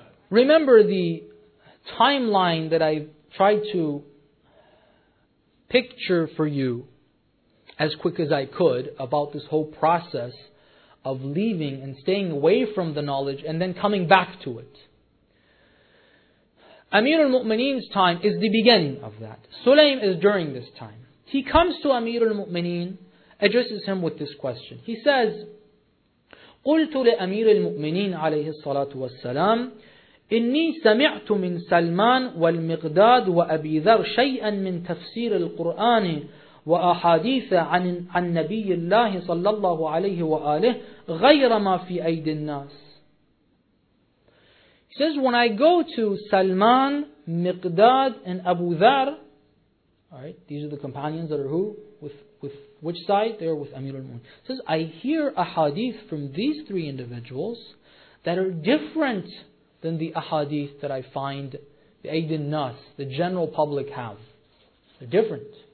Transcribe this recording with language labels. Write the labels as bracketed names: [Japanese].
[English] Remember the timeline that I tried to picture for you as quick as I could about this whole process of leaving and staying away from the knowledge and then coming back to it. Amir al-Mu'mineen's time is the beginning of that. Sulaym is during this time. He comes to Amir al-Mu'mineen, addresses him with this question. He says, [Arabic] قُلْتُ لِأَمِيرِ الْمُؤْمِنِينَ عَلَيْهِ الصَّلَاةُ وَالسَّلَامُ إني سمعت من سلمان والمقداد وأبي ذر شيئا من تفسير القرآن وأحاديث عن نبي الله صلى الله عليه وآله غير ما في أيدي الناس. [English] He says, when I go to Salman, Miqdad, and Abu Dhar, alright, these are the companions that are who? With which side? They're with Amir al-Mu'mineen. He says, I hear ahadith from these three individuals that are different than the ahadith that I find the Aydin Nas, the general public, have. They're different.